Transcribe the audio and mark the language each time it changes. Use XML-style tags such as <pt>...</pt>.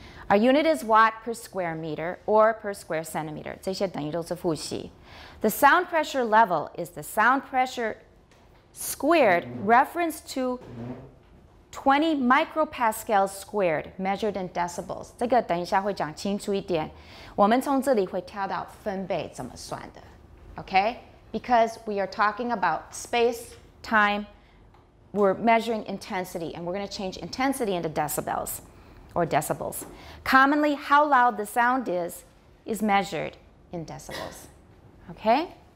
<en>Our unit is watt per square meter or per square centimeter.</en> <zh>这些等于都是复习。</zh> <en>The sound pressure level is the sound pressure squared reference to 20 micropascals squared measured in decibels.</en> <zh>这个等一下会讲清楚一点。我们从这里会跳到分贝怎么算的。</zh> <en>Okay? Because we are talking about space, time, we're measuring intensity, and we're going to change intensity into decibels or decibels. Commonly, how loud the sound is measured in decibels. Okay?</en>